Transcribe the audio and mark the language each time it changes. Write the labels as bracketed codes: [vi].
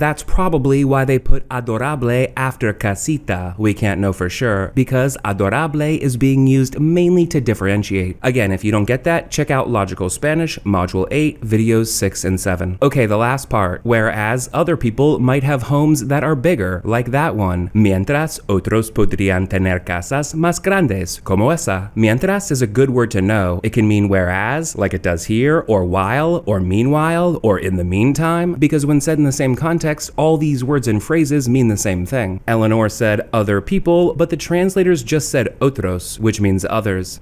[en] That's probably why they put adorable after casita. We can't know for sure, because adorable is being used mainly to differentiate. Again, if you don't get that, check out Logical Spanish, Module 8, Videos 6 and 7. Okay, the last part. Whereas other people might have homes that are bigger, like that one. [es] Mientras otros podrían tener casas más grandes, como esa. [en] Mientras is a good word to know. It can mean whereas, like it does here, or while, or meanwhile, or in the meantime, because when said in the same context, all these words and phrases mean the same thing. Eleanor said other people, but the translators just said otros, which means others.